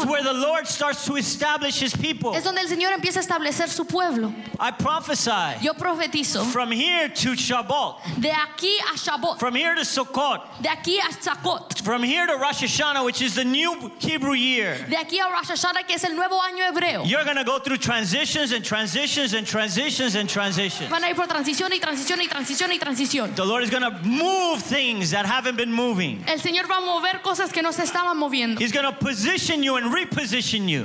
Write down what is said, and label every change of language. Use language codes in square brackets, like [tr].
[en] It's where the Lord starts to establish his people. [es] Es donde el Señor empieza a establecer su pueblo. [en] I prophesy. [es] Yo profetizo. [en] From here to Shabbat. [es] De aquí a Shabbat. [en] From here to Sukkot. [es] De aquí a Sukkot. [en] From here to Rosh Hashanah, which is the new Hebrew year. [es] De aquí a Rosh Hashanah, que es el nuevo año hebreo. [en] You're going to go through transitions and transitions and transitions and transitions. [es] Van a ir por transición y transición y transición y transición. [en] The Lord is going to move things that haven't been moving. [es] El Señor va a mover cosas que no se estaban moviendo. [en] He's going to position you and reposition you.